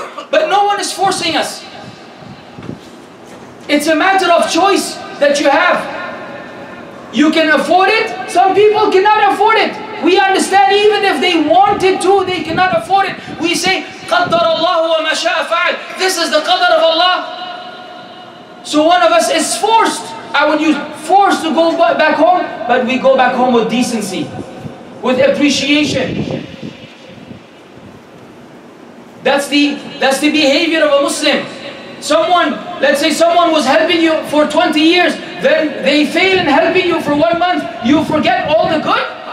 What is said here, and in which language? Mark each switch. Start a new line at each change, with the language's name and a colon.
English: But no one is forcing us. It's a matter of choice that you have. You can afford it. Some people cannot afford it. We understand even if they wanted to, they cannot afford it.
Arabic: We say, قَدَّرَ اللَّهُ وَمَا شَاءَ فَعَلْ.
English: This is the qadr of Allah. So one of us is forced, I would use forced to go back home, but we go back home with decency, with appreciation. That's the behavior of a Muslim. Let's say someone was helping you for 20 years, then they fail in helping you for 1 month, you forget all the good?